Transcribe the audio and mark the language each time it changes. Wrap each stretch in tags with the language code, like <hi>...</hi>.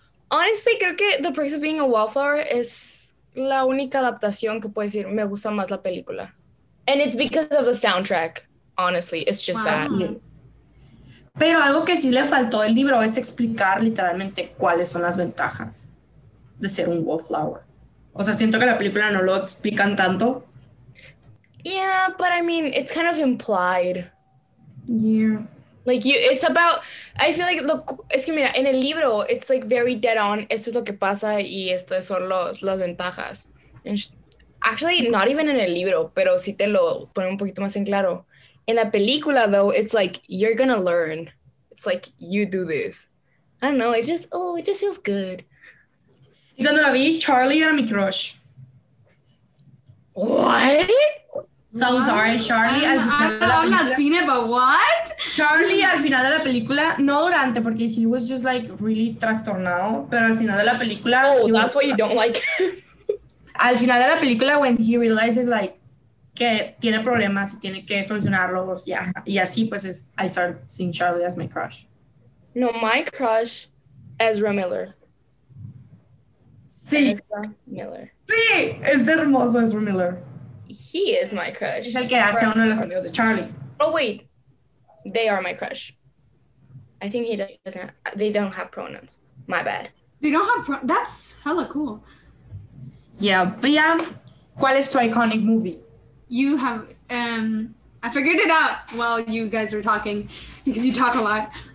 <es>Honestly, creo que The Perks of Being a Wallflower es la única adaptación que puedo decir me gusta más la película.</es> <en>And it's because of the soundtrack. Honestly, it's just wow. That.</en> <es>Pero algo que sí le faltó del libro es explicar literalmente cuáles son las ventajas de ser un wallflower. O sea, siento que la película no lo explican tanto.</es> <en>Yeah, but I mean, it's kind of implied. Yeah. Like, you, it's about, I feel like, look,</en> <es>es que mira, en el libro,</es> <en>it's like very dead on,</en> <es>esto es lo que pasa y esto son las ventajas.</es> <en>And actually, not even</en> <es>en el libro, pero si te lo pone un poquito más en claro. En la película,</es> <en>though, it's like, you're gonna learn. It's like, you do this. I don't know, it just, oh, it just feels good.</en> <es>Y cuando la vi, Charlie era mi crush.</es> <en>What? So wow. Sorry, Charlie. I'm not seen it, but what?</en> <es>Charlie, al final de la película, no durante, porque</es> <en>he was just like really</en> <es>trastornado, pero al final de la película.</es> <en>Oh, that's why you don't like.</en> <es>Al final de la película,</es> <en>when he realizes like</en> <es>que tiene problemas y tiene que solucionarlos, yeah. Y así pues es,</es> <en>I start seeing Charlie as my crush. No, my crush, Ezra Miller.</en> <es>Sí. Ezra Miller. Sí, es hermoso Ezra Miller.</es> <en>He is my crush.</en> <es>Es el que hace uno de los amigos de Charlie.</es> <en>Oh, wait. They are my crush. I think he doesn't have, they don't have pronouns. My bad. They don't have pronouns? That's hella cool. Yeah, but yeah.</en> <es>¿Cuál es tu iconic movie?</es> <en>You have, I figured it out while you guys were talking, because you talk a lot.</en>